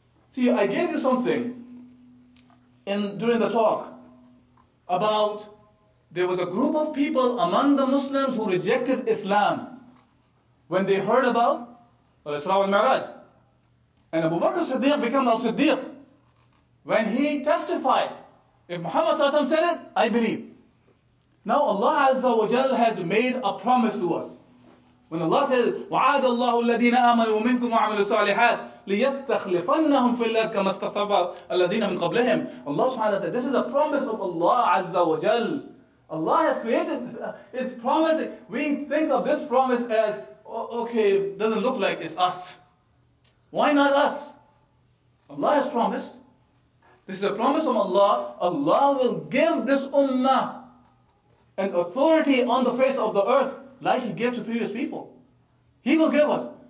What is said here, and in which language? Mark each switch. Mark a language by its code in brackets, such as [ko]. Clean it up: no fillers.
[en] See, I gave you something during the talk about there was a group of people among the Muslims who rejected Islam when they heard about Isra and Miraj. And Abu Bakr Siddiq became al-Siddiq when he testified, if Muhammad sallallahu alayhi wa sallam said it, I believe. Now Allah Azza wa Jal has made a promise to us. When Allah says, [ar] وَعَادَ اللَّهُ الَّذِينَ آمَنُوا مِنْكُمْ وَعَمِلُوا الصَّالِحَاتِ لِيَسْتَخْلِفَنَّهُمْ فِي الْأَرْضِ كَمَا اسْتَخْلَفَ الَّذِينَ مِنْ قَبْلِهِمْ. [en] Allah subhanahu wa ta'ala said, this is a promise of Allah Azza wa Jal. Allah has created His promise. We think of this promise as, okay, doesn't look like it's us. Why not us? Allah has promised. This is a promise from Allah. Allah will give this ummah an authority on the face of the earth, like He gave to previous people. He will give us.